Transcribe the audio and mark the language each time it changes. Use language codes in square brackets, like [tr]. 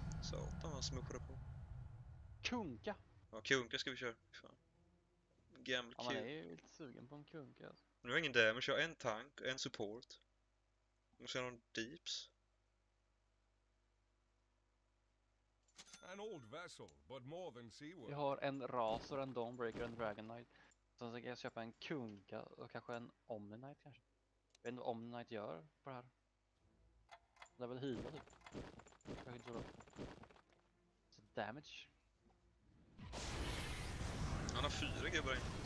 [sv] Satan vad smukar det på. Kunka! Ja, kunka ska vi köra. Fan. Gammal kunka. Ja, man är ju lite sugen på en kunka alltså. Nu har ingen damage, jag har en tank och en support. Jag måste göra någon deeps. [en] An old vessel, but more than seaworthy. [sv] Vi har en Razor, en Dawnbreaker, en Dragon Knight. Sen ska jag köpa en kunka och kanske en Omni Knight kanske. Jag vet inte vad Omni Knight gör på det här. Det är väl hila typ. Jag vet inte vad. Så damage. Han har fyra gubbar in.